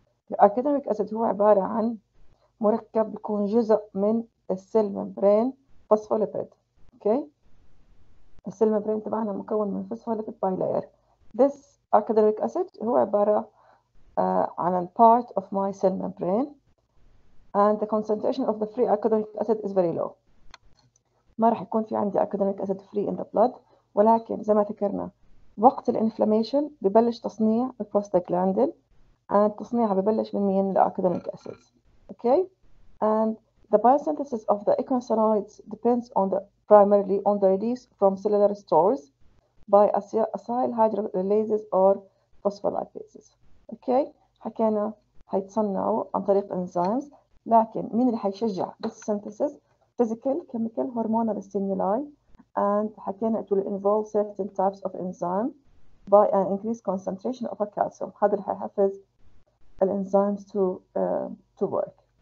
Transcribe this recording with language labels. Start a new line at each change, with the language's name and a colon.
Arabic: الاركادينويك اسيد هو عباره عن مركب بيكون جزء من السيل ممبرين فوسفوليبيد، اوكي. السيل ممبرين تبعنا مكون من فوسفوليبيد باي لاير. This اركادينويك اسيد هو عباره عن
English: part of my cell membrane. And the concentration of the free arachidonic acid is very low.
Arabic: ما راح يكون في عندي
English: arachidonic acid free in the blood.
Arabic: ولكن زي ما ذكرنا وقت الانفلاميشن ببلش تصنيع البروستاجلاندين.
English: And
Arabic: تصنيعها ببلش من مين؟
English: The arachidonic acids. Okay. And the biosynthesis of the eicosanoids depends on the primarily on the release from cellular stores by acyl hydrolases or phospholipases. Okay.
Arabic: حكينا هيتصنعوا عن طريق enzymes. لكن مين اللي حيشجع بس
English: synthesis physical chemical hormonal stimuli and حكينا it will involve certain types of enzyme by an increased concentration of a calcium.
Arabic: هذا اللي حيحفز الانزيمز
English: to work.